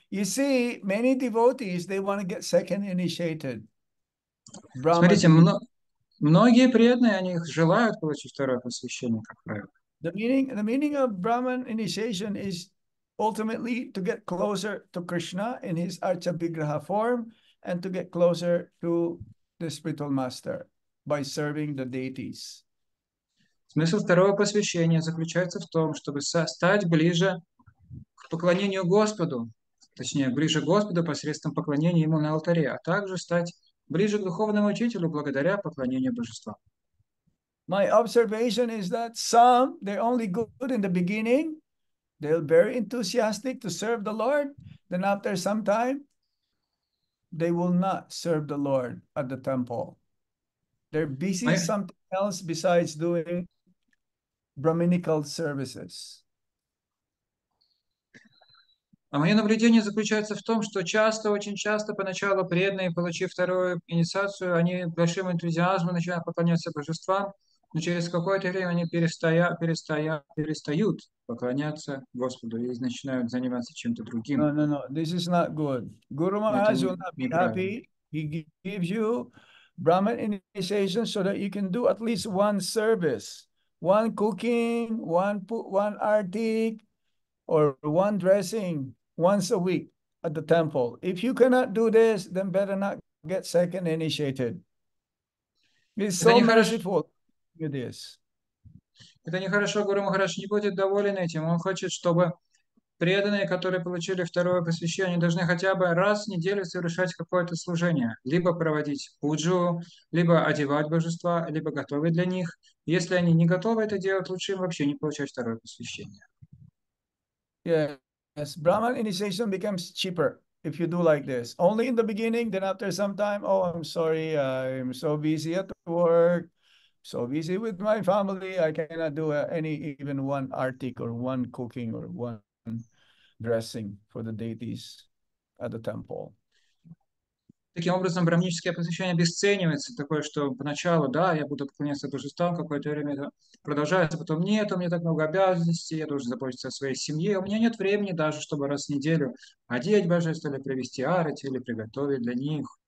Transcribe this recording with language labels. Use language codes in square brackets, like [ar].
[en] You see, many devotees, they want to get second initiated. Brahma. [ru] Смотрите, многие преданные, они желают получить второе посвящение, как правило. [en] The meaning of Brahman initiation is ultimately to get closer to Krishna in his Archabigraha form and to get closer to the spiritual master by serving the deities. [ru] Смысл второго посвящения заключается в том, чтобы стать ближе к поклонению Господу, точнее, ближе к Господу посредством поклонения Ему на алтаре, а также стать ближе к духовному учителю благодаря поклонению Божества. [en] My observation is that some, they're only good in the beginning, they're very enthusiastic to serve the Lord, then after some time, they will not serve the Lord at the temple. They're busy with something else besides doing brahminical services. [ru] А мое наблюдение заключается в том, что часто, очень часто, поначалу преданные, получив вторую инициацию, они большим энтузиазмом начинают поклоняться божествам, но через какое-то время они перестают поклоняться Господу и начинают заниматься чем-то другим. [en] No, no, no. This is not good. Guru Maharaj will not be happy. He gives you Brahman initiation so that you can do at least one service. One cooking, one artik, or one dressing once a week at the temple. If you cannot do this, then better not get second initiated. It's so merciful to do this. [ru] Это нехорошо, Гуру Махарадж не будет доволен этим. Он хочет, чтобы преданные, которые получили второе посвящение, должны хотя бы раз в неделю совершать какое-то служение. Либо проводить пуджу, либо одевать божества, либо готовить для них. Если они не готовы это делать, лучше им вообще не получать второе посвящение. [en] Yes, Brahman initiation becomes cheaper if you do like this. Only in the beginning, then after some time, oh, I'm sorry, I'm so busy at work, so busy with my family, I cannot do any, even one artik or one cooking or one dressing for the deities at the temple. [ru] Таким образом, брахмическое посвящение обесценивается, такое, что поначалу, да, я буду поклоняться божествам, какое-то время это продолжается, потом нет, у меня так много обязанностей, я должен заботиться о своей семье, у меня нет времени даже, чтобы раз в неделю одеть божество, или привести арати, или приготовить для них.